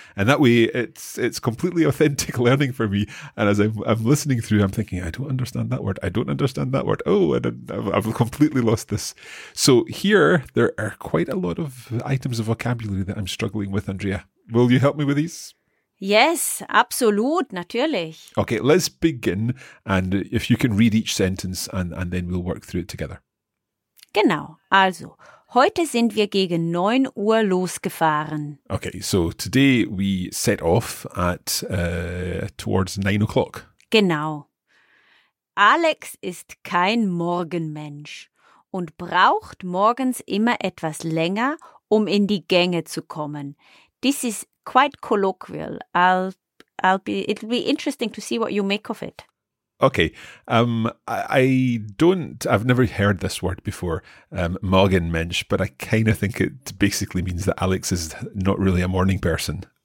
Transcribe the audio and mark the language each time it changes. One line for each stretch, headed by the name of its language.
English: And that way it's completely authentic learning for me. And as I'm listening through, I'm thinking, I don't understand that word. Oh, and I've completely lost this. So here, there are quite a lot of items of vocabulary that I'm struggling with, Andrea. Will you help me with these?
German: Yes, absolut, natürlich.
English: Okay, let's begin. And if you can read each sentence and then we'll work through it together.
German: Genau, also, heute sind wir gegen 9 Uhr losgefahren.
English: Okay, so today we set off at towards 9 o'clock.
German: Genau. Alex ist kein Morgenmensch und braucht morgens immer etwas länger, um in die Gänge zu kommen.
English: This is quite colloquial. It'll be interesting to see what you make of it. Okay. I've never heard this word before, Morgenmensch, but I kind of think it basically means that Alex is not really a morning person.